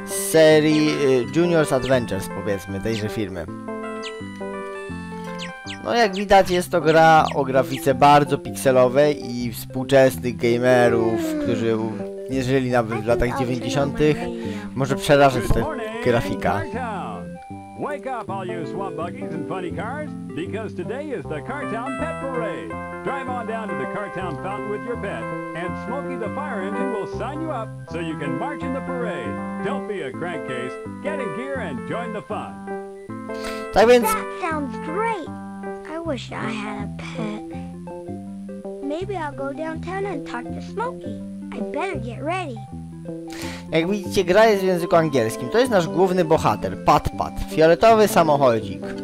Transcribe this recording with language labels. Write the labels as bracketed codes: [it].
[pl] Serii Junior's Adventures, powiedzmy, tejże firmy. No jak widać, jest to gra o grafice bardzo pikselowej i współczesnych gamerów, którzy nie żyli nawet w latach 90. może przerażać ta grafika. [en] Wake up all you swamp buggies and funny cars, because today is the Cartown Pet Parade. Drive on down to the Cartown Fountain with your pet, and Smokey the Fire Engine will sign you up so you can march in the parade. Don't be a crankcase, get in gear and join the fun. [pl] Tak więc... [en] That sounds great. I wish I had a pet. Maybe I'll go downtown and talk to Smokey. I better get ready. [pl] Jak widzicie, gra jest w języku angielskim. To jest nasz główny bohater, Puttpa, fioletowy samochodzik.